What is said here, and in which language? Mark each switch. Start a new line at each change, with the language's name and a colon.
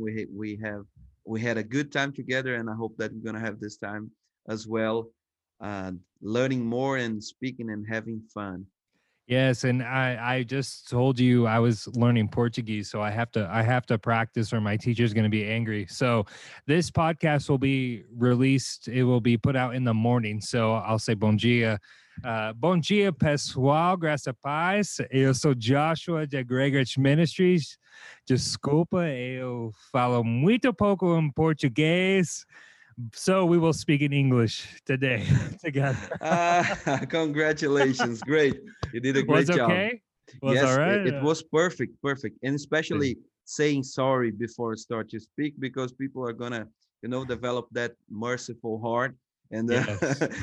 English: We had a good time together, and I hope that we're going to have this time as well, learning more and speaking and having fun. Yes, and I just told you I was learning Portuguese, so I have to practice or my teacher's going to be angry. So this podcast will be released. It will be put out in the morning, so I'll say
Portuguese: bom dia. Bom dia, pessoal. Graça a paz. Eu sou Joshua de Gregorich Ministries. Desculpa, eu falo muito pouco em português.
English: So we will speak in English today together. Congratulations. Great. You did a great job. Was okay? Was yes, all right? It was perfect. Perfect. And especially saying sorry before I start to speak, because people are going to, you know, develop that merciful heart. And yes.